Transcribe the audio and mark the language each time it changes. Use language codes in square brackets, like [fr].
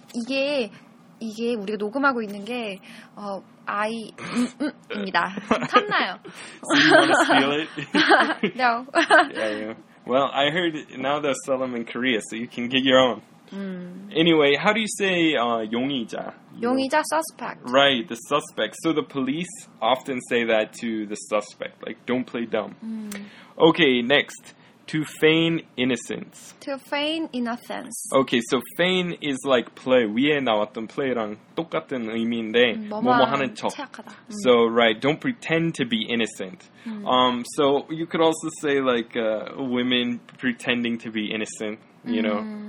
[ko] 이게 우리가 녹음하고 있는 게 아이...입니다. 탐나요. [en] So you want to steal it? No. Yeah. Well, I heard now they'll sell them in Korea, so you can get your own. Anyway, how do you say 용의자? 용의자 suspect. Right, the suspect. So the police often say that to the suspect. Like, don't play dumb. Okay, next. To feign innocence. To feign innocence. Okay, so feign is like play. [ko] 위에 나왔던 play랑 똑같은 의미인데 뭐뭐 하는 척. 착하다. [en] So, right, don't pretend to be innocent. So, you could also say like women pretending to be innocent, you know.